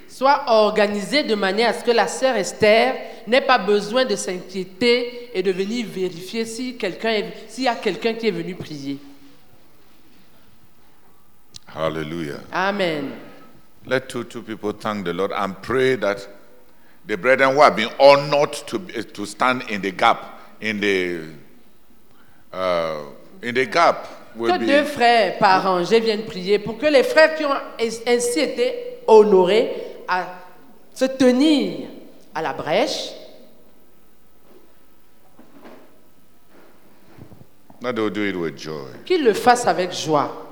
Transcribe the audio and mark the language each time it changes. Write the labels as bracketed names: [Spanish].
[French] Soit organisé de manière à ce que la sœur Esther n'ait pas besoin de s'inquiéter et de venir vérifier s'il y a quelqu'un qui est venu prier. Hallelujah. Amen. [English] Let two people thank the Lord and pray that the brethren who have been honored to stand in the gap in the gap. [French] Que deux frères par rangée viennent prier pour que les frères qui ont ainsi été honorés à se tenir à la brèche. [English] That they will do it with joy. [French] Qu'ils le fassent avec joie.